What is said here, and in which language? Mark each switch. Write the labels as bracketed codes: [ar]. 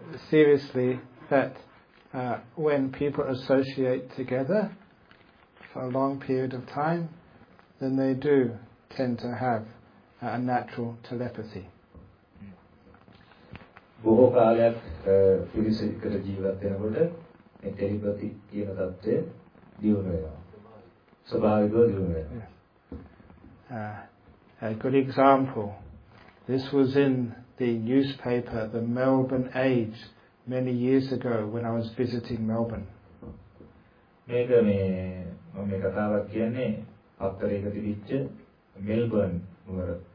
[en] seriously, that when people associate together for a long period of time, then they do tend to have a natural telepathy. [si] බොහෝ කාලයක් පිරිසිදු කර ජීවත් වෙනකොට මේ telepathy කියන தත්ත්වය දියුණු වෙනවා. ස්වභාවිකව දියුණු වෙනවා. [en] A good example. This was in the newspaper, the Melbourne Age, many years ago when I was visiting Melbourne. [si] මේක මම මේ කතාවක් කියන්නේ පත්තරයක තිබිච්ච Melbourne වල